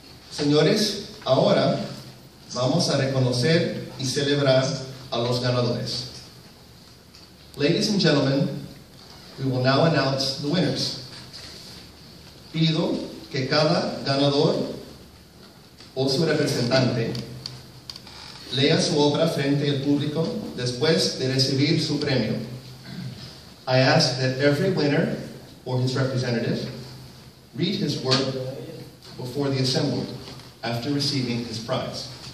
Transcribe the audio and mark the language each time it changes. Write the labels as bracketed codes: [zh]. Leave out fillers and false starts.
[es] Señores, ahora vamos a reconocer y celebrar a los ganadores. [en] Ladies and gentlemen, we will now announce the winners. [es] Pido que cada ganador o su representante lea su obra frente al público después de recibir su premio. [en] I ask that every winner or his representative read his work before the assembly after receiving his prize.